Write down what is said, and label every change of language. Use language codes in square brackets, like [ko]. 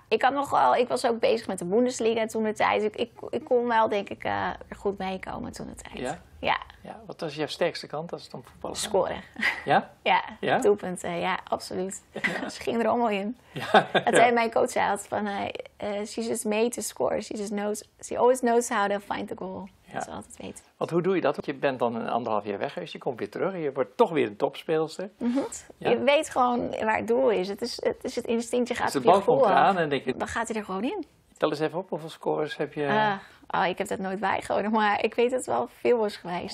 [nl] Ik was ook bezig met de Bundesliga toen de tijd. Ik kon wel, denk ik, er goed meekomen toen de tijd. Ja? Ja. Ja. Wat was jouw sterkste kant als het om voetballen gaat? Scoren. Ja? Ja? Ja, doelpunten. Ja, absoluut. Ja. Ze gingen er allemaal in. Ja. Het zei mijn coach altijd van, [en] she's just made to score. She always knows how to find the goal. [nl] Ja. Dat ze altijd weten. Want hoe doe je dat? Want je bent dan een anderhalf jaar weg, dus je komt weer terug. En je wordt toch weer een topspeelster. Mm-hmm. Ja. Je weet gewoon waar het doel is. Het is het instinct. Je gaat dus de bal komt eraan en denk je... Dan gaat hij er gewoon in. Tel eens even op, hoeveel scores heb je... Ik heb dat nooit bijgehouden, maar ik weet het wel veel was geweest.